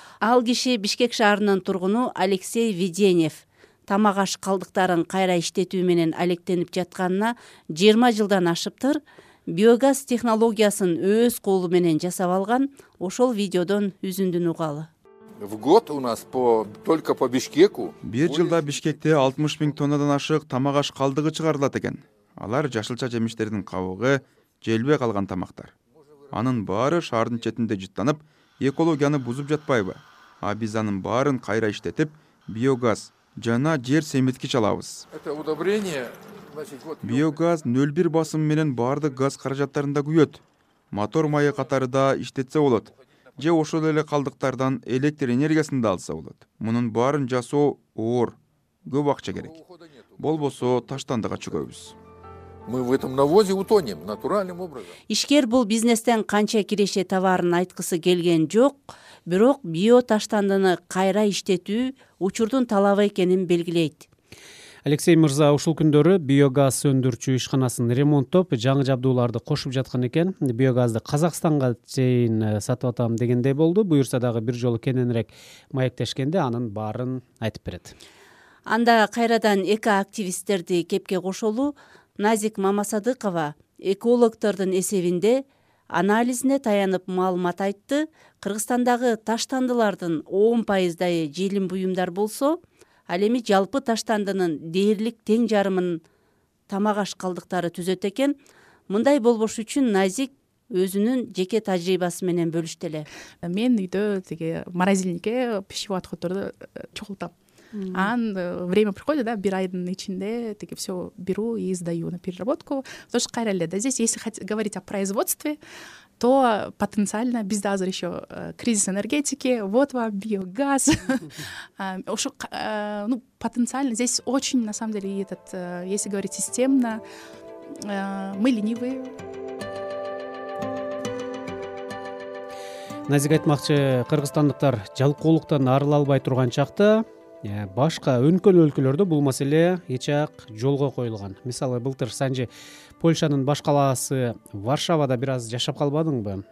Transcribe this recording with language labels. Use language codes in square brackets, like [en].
[ky] Ал киши Бишкек шаарынын тургуну Алексей Веденев. Тамак аш калдыктарын кайра иштетүү менен алектенип жатканына 20 жылдан ашыптыр. Биогаз технологиясын өз колу менен жасап алган. Ошол видеодон үзүндүн угалы. [ru] В год у нас только по Бишкеку. [ky] Бир жылда Бишкекте 60 000 тоннадан ашык тамак аш калдыгы чыгарылат экен. Алар жашылча жемиштердин кабыгы, желбе калган тамактар. Анын баары шаардын четинде жыттанып, экологияны бузуп жатпайбы? А биз анын баарын кайра иштетип, биогаз жана жер семирткич алабыз. [ru] Это удобрение. [ky] Биогаз 0,1 басым менен баардык газ каражаттарында күйөт. Мотор майы катары да иштетсе болот. Же ошол эле калдыктардан электр энергиясын да алса болот. Мунун баарын жасоо оор, көп акча керек. Болбосо таштандыга чөгөбүз. [ru] Мы в этом навозе утонем натуральным образом. [ky] Ишкер бул бизнестен канча киреше товарын айткысы келген жок, бирок биоташтандыны кайра иштетүү учурдун талабы экенин белгилейт. Алексей Мырза ушул күндөрү биогаз өндүрчү ишканасын ремонттоп, жаңы жабдууларды кошуп жаткан экен. Биогазды Казакстанга чейин сатып атам дегендей болду. Буюрса дагы бир жолу кененирээк маектешкенде анын баарын айтып берет. Анда кайрадан экоактивисттерди кепке кошолу Назик Мамасадыкова экологтордун эсебинде анализине таянып маалымат айтты. Кыргызстандагы таштандылардын 10% желим буюмдар болсо, ал эми жалпы таштандынын дээрлик тең жарымын тамак аш калдыктары түзөт экен. Мындай болбош үчүн Назик өзүнүн жеке тажрыйбасы менен бөлүштү эле. Мен үйдө тиги морозильникке пишип аткандарды чогултам. [ru] Анан время приходит, да, [ky] бир айдын ичинде тиги [ru] все беру и сдаю на переработку. Тоже [ky] кайра эле [ru] да, здесь если говорить о производстве, то потенциально [ky] бизде азыр [ru] еще кризис энергетики, вот вам биогаз. Ошо, ну, потенциально здесь очень, на самом деле, этот, если говорить системно, мы ленивые. [ky] Назик айтмакчы, кыргызстандыктар жалкоолуктан арыла албай турган чакта, башка өнкөн өлкөлөрдө бул маселе эч ак жолго коюлган. Мисалы, былтыр Санжи Польшанын баш калаасы Варшавада бир аз жашап калбадыңбы?